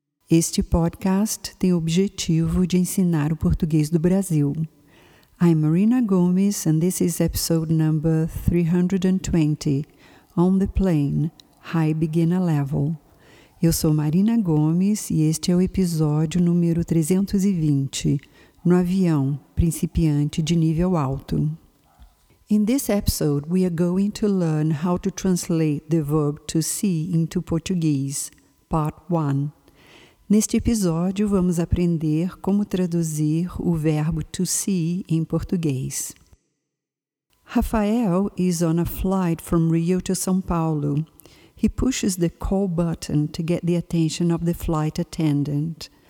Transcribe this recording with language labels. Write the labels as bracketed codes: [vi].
[pt] Este podcast tem o objetivo de ensinar o português do Brasil. [en] I'm Marina Gomes, and this is episode number 320, On the Plane, High Beginner Level. [pt] Eu sou Marina Gomes e este é o episódio número 320, No Avião, Principiante de Nível Alto. [en] In this episode, we are going to learn how to translate the verb to see into Portuguese, part 1. [pt] Neste episódio, vamos aprender como traduzir o verbo to see em português. [en] Rafael is on a flight from Rio to São Paulo. He pushes the call button to get the attention of the flight attendant.